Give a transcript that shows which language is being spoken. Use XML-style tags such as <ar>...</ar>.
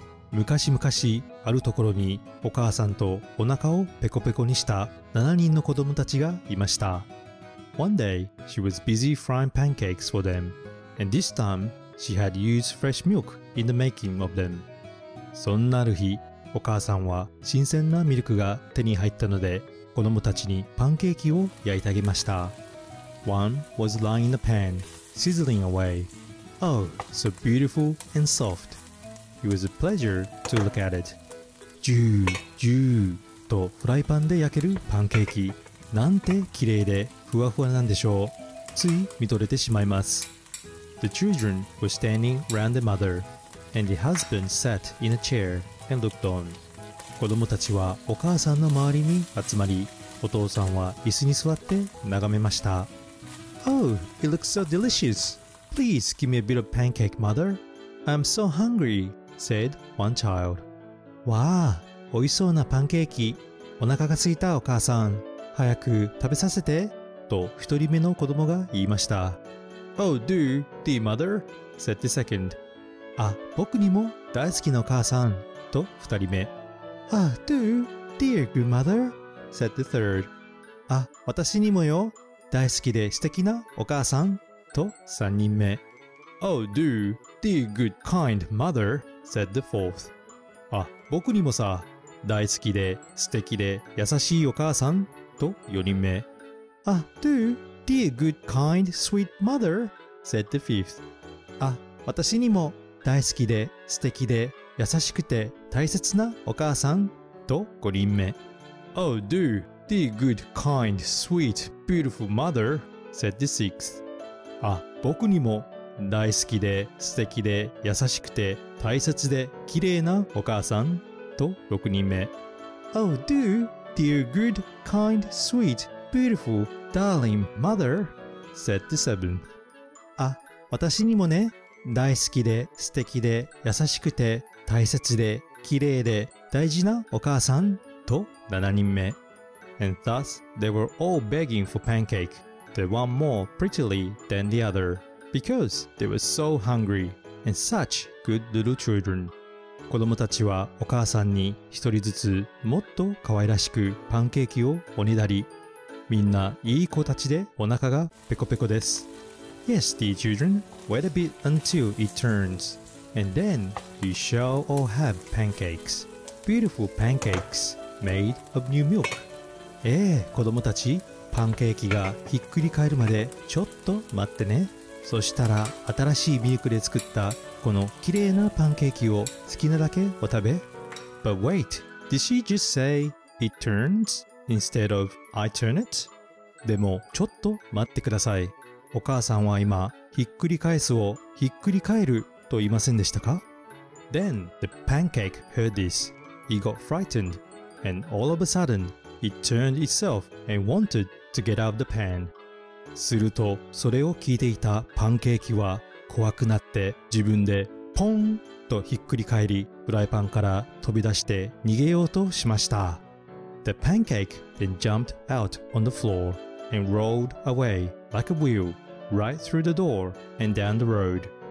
<ja>昔々あるところにお母さんとお腹をペコペコにした7人の子供たちがいました。</ja> <en>One day, she was busy frying pancakes for them, and this time, she had used fresh milk in the making of them.</en> <ja>そんなある日、お母さんは新鮮なミルクが手に入ったので、子供たちにパンケーキを焼いてあげました。</ja> <en>One was lying in the pan, sizzling away. Oh, so beautiful and soft. It was a pleasure to look at it.</en> <ja>ジュージューとフライパンで焼けるパンケーキ。なんて綺麗でふわふわなんでしょう。つい見とれてしまいます。</ja> <en>The children were standing round the mother, and the husband sat in a chair and looked on.</en> <ja>子供たちはお母さんの周りに集まり、お父さんは椅子に座って眺めました。</ja> <en>Oh, it looks so delicious. Please give me a bit of pancake, mother. I'm so hungry. said one child.</en> <ja>わあ、おいしそうなパンケーキ。お腹が空いたお母さん。早く食べさせて。と一人目の子供が言いました。</ja> <en>Oh, do, dear mother, said the second.</en> <ja>あ、僕にも大好きなお母さん。と二人目。</ja> <en>Ah, do, dear grandmother, said the third.</en> <ja>あ、私にもよ。大好きで素敵なお母さん。と三人目。</ja> <en>Oh, do, dear good kind mother,said the fourth.</en> <ja>あ、僕にもさ、大好きで、素敵で、優しいお母さん、と4人目。</ja> <en>あ、do, dear good kind sweet mother, said the fifth.</en> <ja>あ、私にも、大好きで、素敵で、優しくて、大切なお母さん、と5人目。</ja> <en>Oh, do, dear good kind sweet beautiful mother, said the sixth.</en> <ja>あ、僕にも、大好きで、素敵で、優しくて、大切で、綺麗なお母さん。と、6人目。</ja> <en>Oh, do, dear good, kind, sweet, beautiful, darling mother, said the seventh.</en> <ja>あ、私にもね、大好きで、素敵で、優しくて、大切で、綺麗で、大事なお母さん。と、7人目。</ja> <en>And thus, they were all begging for pancake, the one more prettily than the other. Because they were so hungry and such good little children.</en> <ja>子供たちはお母さんに一人ずつもっと可愛らしくパンケーキをおねだり。みんないい子たちでお腹がペコペコです。</ja> <en>Yes, dear children, wait a bit until it turns. And then you shall all have pancakes. Beautiful pancakes made of new milk.</en> <ja>子供たち、パンケーキがひっくり返るまでちょっと待ってね。そしたら新しいミルクで作ったこの綺麗なパンケーキを好きなだけお食べ。</ja> <en>But wait, did she just say it turns instead of I turn it?</en> <ja>でもちょっと待ってください。お母さんは今ひっくり返すをひっくり返ると言いませんでしたか?</ja> <en>Then the pancake heard this. He got frightened and all of a sudden it turned itself and wanted to get out of the pan.</en> <ja>するとそれを聞いていたパンケーキは怖くなって自分でポンとひっくり返りフライパンから飛び出して逃げようとしました。</ja> <en>The pancake then jumped out on the floor and rolled away like a wheel right through the door and down the road.</en>